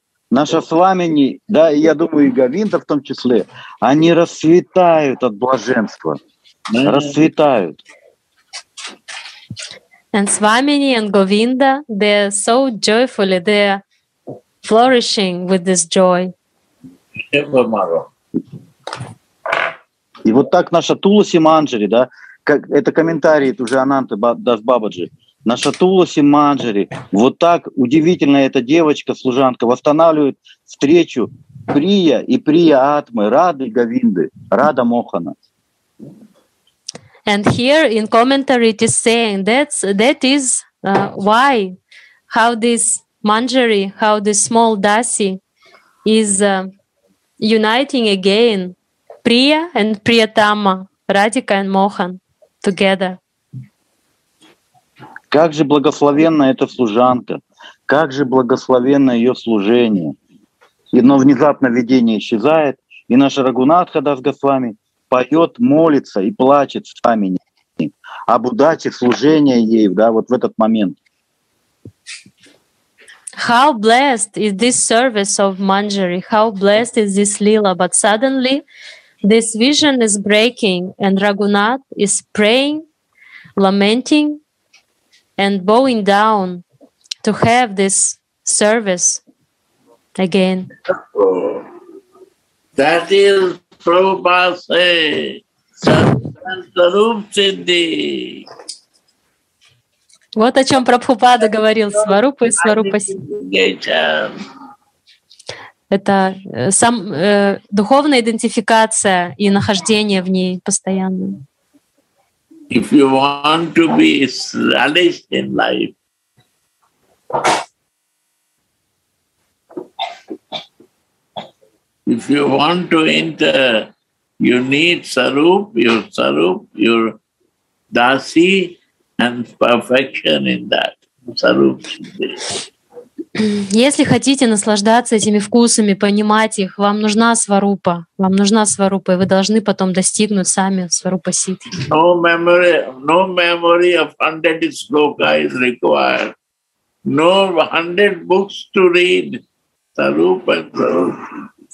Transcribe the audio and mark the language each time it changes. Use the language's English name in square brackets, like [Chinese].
[Russian] Наша Свамини, да, и я думаю, и Говинда в том числе, они расцветают от блаженства. Расцветают. [English] And Swamini and Govinda, they're so joyfully, they're flourishing with this joy. [Russian] И вот так наша Туласи Манджари, да, как это комментарии уже Ананты Дас Бабаджи. Наша Туласи Манджари, вот так удивительно эта девочка-служанка восстанавливает встречу Прия и Прия Атмы, Рады Говинды, Рада Мохана. [English] And here in commentary it is saying that is why, how this Manjari, how this small Dasi is uniting again Priya and Priyatama, Radhika and Mohan together. [Russian] Как же благословенна эта служанка, как же благословенно ее служение. Но внезапно видение исчезает, и наша Рагунатха Дас Госвами поет, молится и плачет с вами об удаче служения ей, да, вот в этот момент. [English] How blessed is this service of Manjari? How blessed is this Lila? But suddenly this vision is breaking, and Raghunath is praying, lamenting, and bowing down to have this service again. That is Prabhupada say, Сварупа Сидди. [Russian] Вот о чем Прабхупада говорил, Сварупа и Сварупа Сидди. Это сам духовная идентификация и нахождение в ней постоянно. [English] If you want to be relished in life, if you want to enter, you need sarup, your dasi and perfection in that sarup. [Russian] Если хотите наслаждаться этими вкусами, понимать их, вам нужна сварупа. Вам нужна сварупа, и вы должны потом достигнуть сами сварупа сиддхи. [English] No memory of 100 sloka is required. No 100 books to read. Sarupa and sarupa.